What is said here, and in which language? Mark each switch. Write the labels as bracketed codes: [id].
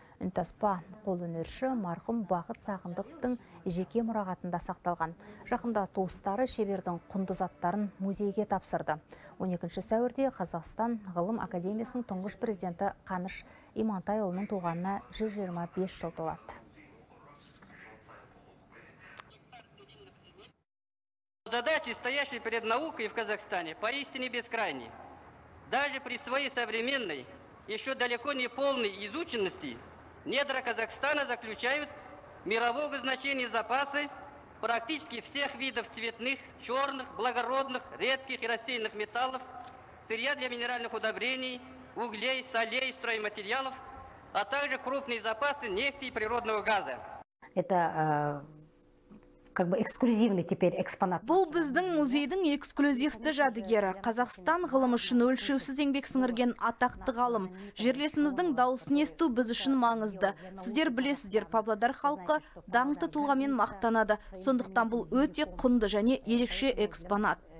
[kk] Үнтаспа қолөнерші марқұм Бақыт Сағындықтың жеке мұрағатында сақталған. Жақында туыстары шебердің құнды заттарын музейге тапсырды. 12 сәуірде Қазақстан ғылым академиясының тұңғыш президенті Қаныш Имантайұлының туғанына 125 жыл толады. [ru] Задачи, стоящие перед наукой в Казахстане, поистине бескрайние. Даже при своей современной, еще далеко не полной изученности, недра Казахстана заключают мирового значения запасы практически всех видов цветных, черных, благородных, редких и растительных металлов, сырья для минеральных удобрений, углей, солей, стройматериалов, а также крупные запасы нефти и природного газа. Это как бы эксклюзивный теперь экспонат. [kk] Бұл біздің музейдің эксклюзивті жадыгері. Қазақстан ғылым үшін өлшеусіз еңбек сіңірген атақты ғалым. Жерлесіміздің дауысын есту біз үшін маңызды. Сіздер білесіздер, Павлодар халқы даңқты тұлғамен мақтанады. Сондықтан бұл өте құнды және ерекше экспонат.